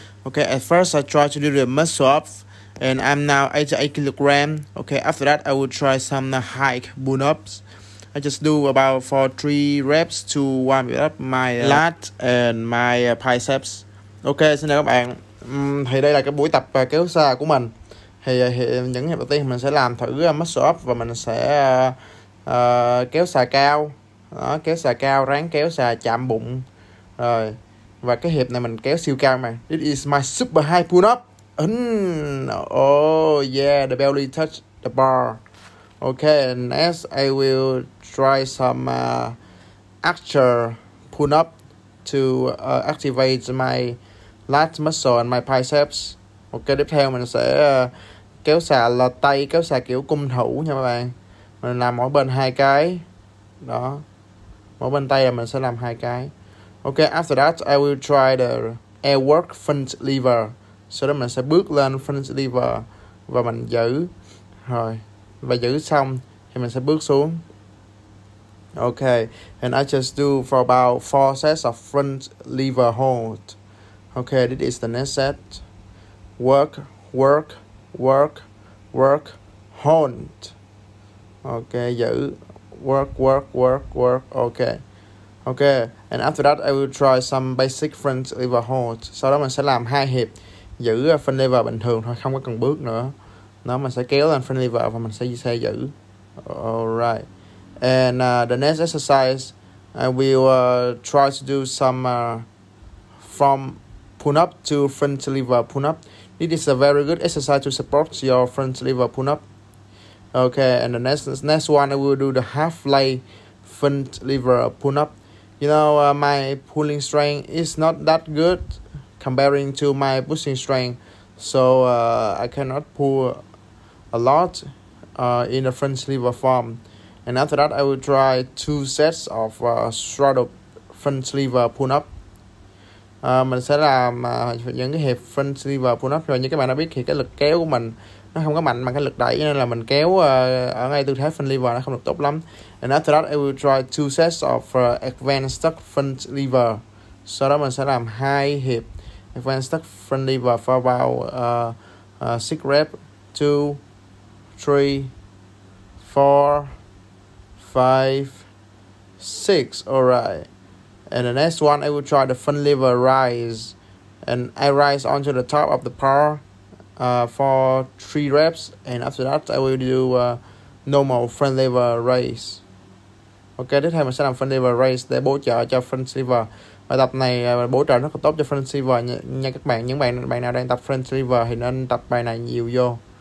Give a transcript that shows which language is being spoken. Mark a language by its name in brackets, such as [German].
[English] Okay, at first I try to do the muscle ups and I'm now 88 kilograms. Okay, after that I will try some high pull ups. I just do about 4-3 reps to warm up my lat and my biceps. [Vietnamese] Okay, xin chào các bạn. Thì đây là cái buổi tập kéo xa của mình. Thì những ngày đầu tiên mình sẽ làm thử muscle up và mình sẽ kéo xà cao. Đó, kéo xà cao, ráng kéo xà chạm bụng. Rồi. Và cái hiệp này mình kéo siêu cao mà. [English] This is my super high pull up. Oh yeah, the belly touch the bar. Okay, next I will try some actual pull up to activate my lat muscle and my biceps. [Vietnamese] Okay, tiếp theo mình sẽ kéo xà lò tay, kéo xà kiểu cung thủ nha các bạn. Mình làm mỗi bên hai cái. Đó. Mỗi bên tay là mình sẽ làm hai cái. [English] Ok, after that I will try the airwork front lever. [Vietnamese] Sau đó mình sẽ bước lên front lever và mình giữ. Rồi, và giữ xong thì mình sẽ bước xuống. [English] Ok, and I just do for about 4 sets of front lever hold. Ok, this is the next set. Work, work, work, work, hold. Ok, giữ. Work, work, work, work. Okay. Okay. And after that, I will try some basic front lever hold. [Vietnamese] Sau đó mình sẽ làm hai hiệp giữ front lever bình thường thôi, không có cần bước nữa. Nó mình sẽ kéo lên front lever và mình sẽ xe giữ. [English] Alright. And the next exercise, I will try to do some from pull up to front lever pull up. This is a very good exercise to support your front lever pull up. Okay, and the next one I will do the half leg front lever pull up. You know, my pulling strength is not that good comparing to my pushing strength, so I cannot pull a lot in the front lever form. And after that, I will try two sets of straddle front lever pull up. [Vietnamese] Mình sẽ làm những cái hiệp front lever pull up. Rồi như các bạn đã biết thì cái lực kéo của mình nó không có mạnh bằng cái lực đẩy, nên là mình kéo ở ngay tư thế front lever nó không được tốt lắm. [English] And after that I will try two sets of advanced tuck front lever. [Vietnamese] Sau đó mình sẽ làm hai hiệp advanced tuck front lever [English] for about 6 reps, 2, 3, 4, 5, 6. Alright. And the next one I will try the front lever rise. And I rise onto the top of the bar for 3 reps, and after that I will do normal front lever raise. [Vietnamese] Okay, tiếp theo mình sẽ làm front lever raise để bổ trợ cho front lever. Bài tập này bổ trợ rất là tốt cho front lever nha các bạn. Những bạn nào đang tập front lever thì nên tập bài này nhiều vô.